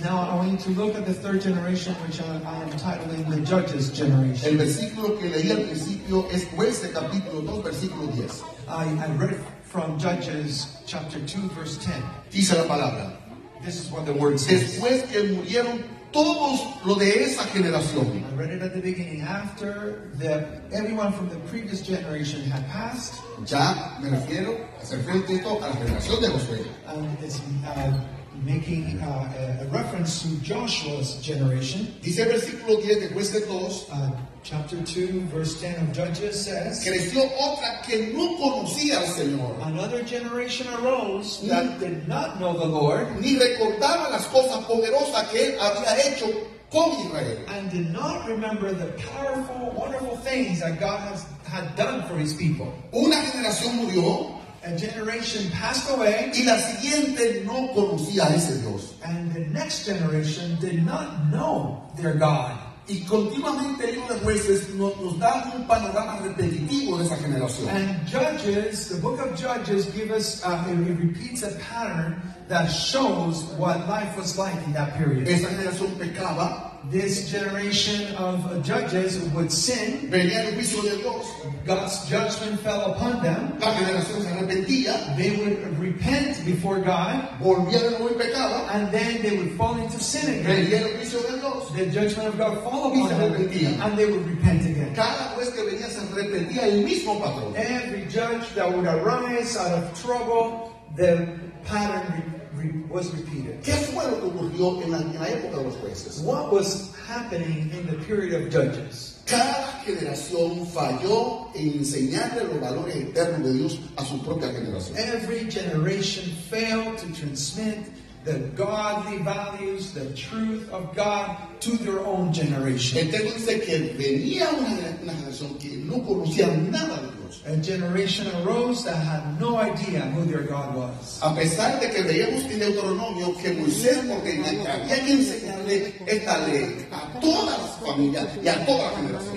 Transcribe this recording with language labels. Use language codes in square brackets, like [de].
[en] Now I want you to look at the third generation, which I'm titling the Judges generation. [es] El versículo que leí al principio es Jueces capítulo 2 versículo 10. [en] I read from Judges chapter 2 verse 10. [es] Dice la palabra. [en] This is what the word says. [es] Después que murieron todos lo de esa generación. [en] I read it at the beginning. After the everyone from the previous generation had passed. [es] Ya me refiero a ser fiel texto a la generación de Josué. [en] And it's making a reference to Joshua's generation. [es] Dice el versículo 10 de Jueces 2. [en] Chapter 2, verse 10 of Judges says. [es] Creció otra que no conocía al Señor. [en] Another generation arose that did not know the Lord. [es] Ni recordaba las cosas poderosas que él había hecho con Israel. [en] And did not remember the powerful, wonderful things that God has had done for his people. [es] Una generación murió. [en] A generation passed away. [es] Y la siguiente no conocía a ese Dios. [en] And the next generation did not know their God. [es] Y continuamente el libro de jueces nos da un panorama repetitivo de esa generación. [en] And Judges, the book of Judges gives us, it repeats a pattern that shows what life was like in that period. [es] Esa generación pecaba. [en] This generation of judges would sin. [es] Venía el juicio de Dios. [en] God's judgment fell upon them. [es] La generación se arrepentía. [en] They would repent before God. [es] Volvía de nuevo y pecaba. [en] And then they would fall into sin again. [es] Venía el juicio de Dios. [en] The judgment of God fall upon [es] se arrepentía. [en] Them. And they would repent again. [es] Cada juez que venía se arrepentía el mismo patrón. [en] Every judge that would arise out of trouble, the pattern was repeated. [es] ¿Qué fue lo que ocurrió en la época de los jueces? [en] What was happening in the period of judges? [es] Cada generación falló en enseñarle los valores eternos de Dios a su propia generación. [en] Every generation failed to transmit the godly values, the truth of God to their own generation. [es] El texto dice que venía una generación que no conocía nada de Dios. [en] A generation arose that had no idea who their God was. [es] A pesar de que veíamos en Deuteronomio que Moisés había que enseñarle esta ley a todas las familias y a toda la generación.